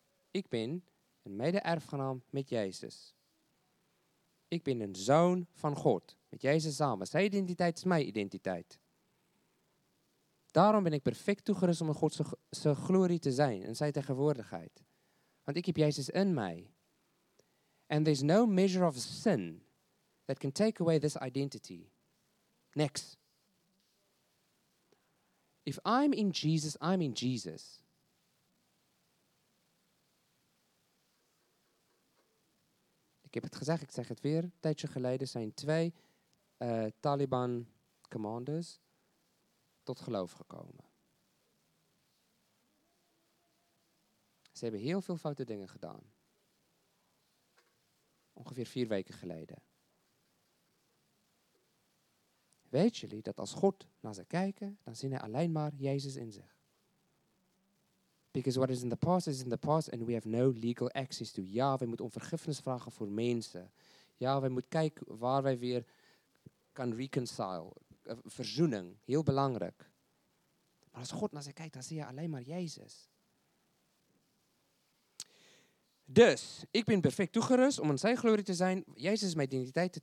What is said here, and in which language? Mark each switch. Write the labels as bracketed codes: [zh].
[nl] Ik ben een mede-erfgenaam met Jezus. Ik ben een zoon van God, met Jezus samen. Zijn identiteit is mijn identiteit. Daarom ben ik perfect toegerust om in Gods glorie te zijn, in zijn tegenwoordigheid. Want ik heb Jezus in mij. [en] And there's no measure of sin that can take away this identity. Next. If I'm in Jesus, I'm in Jesus. [nl] Ik heb het gezegd, ik zeg het weer. Een tijdje geleden zijn twee Taliban commanders tot geloof gekomen. Ze hebben heel veel foute dingen gedaan. Ongeveer 4 weken geleden. Weet jullie dat als God naar ze kijkt, dan zien hij alleen maar Jezus in zich. [en] Because what is in the past and we have no legal access to. [nl] Ja, wij moeten om vergiffenis vragen voor mensen. Ja, wij moeten kijken waar wij weer kan reconcile. Verzoening, heel belangrijk. Maar als God naar ze kijkt, dan zie je alleen maar Jezus. Dus, ik ben perfect toegerust om in zijn glorie te zijn. Jezus is mijn identiteit.